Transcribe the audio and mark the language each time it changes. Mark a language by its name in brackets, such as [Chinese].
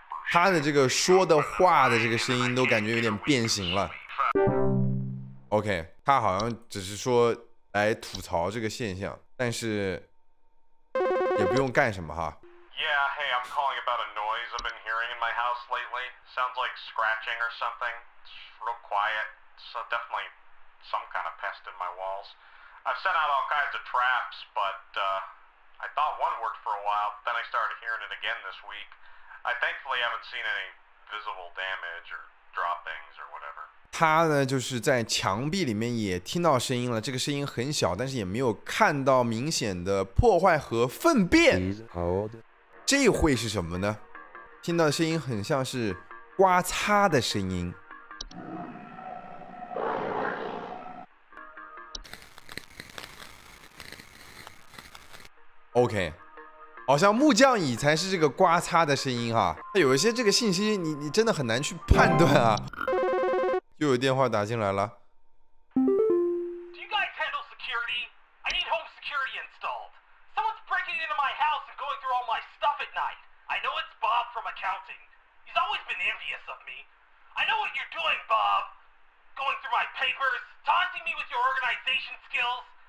[Chinese] 他的这个说的话的这个声音都感觉有点变形了。 OK， 他好像只是说来吐槽这个现象，但是也不用干什么哈。 [English] Yeah, hey, I'm calling about a noise I've been hearing in my house lately. Sounds like scratching or something. It's real quiet. So definitely some kind of pest in my walls. I've sent out all kinds of traps, but I thought one worked for a while, but then I started hearing it again this week. I thankfully haven't seen any visible damage or droppings or whatever. [Chinese] 他呢，就是在墙壁里面也听到声音了，这个声音很小，但是也没有看到明显的破坏和粪便。这会是什么呢？听到的声音很像是刮擦的声音。 OK， 好像木匠椅才是这个刮擦的声音哈。有一些这个信息你真的很难去判断啊。又有电话打进来了。 [English] Do you guys handle security? I need home security installed. Someone's breaking into my house and going through all my stuff at night. I know it's Bob from accounting. He's always been envious of me. I know what you're doing, Bob. Going through my papers, taunting me with your organization skills.